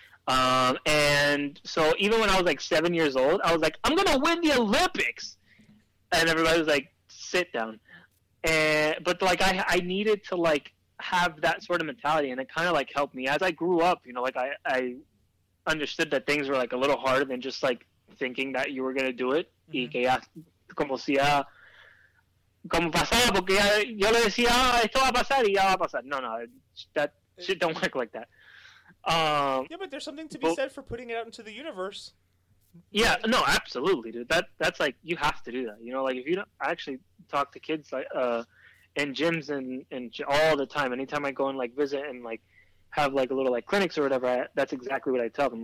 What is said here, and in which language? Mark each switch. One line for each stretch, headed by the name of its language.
English: And so even when I was like 7 years old, I was like, I'm gonna win the Olympics, and everybody was like, sit down. But I needed to like have that sort of mentality, and it kind of like helped me as I grew up. You know, like I understood that things were like a little harder than just like thinking that you were gonna do it.
Spanish: Mm-hmm. Y que ya, como sea, como pasaba, porque ya, yo le decía, esto va a pasar y ya va a pasar.
English: No, that shit don't work like that. Yeah, but there's something to be said for putting it out into the universe. Yeah, no, absolutely, dude. That's like, you have to do that. You know, like if you don't, I actually talk to kids like in gyms and all the time. Anytime I go and like visit and like have like a little like clinics or whatever, that's exactly what I tell them.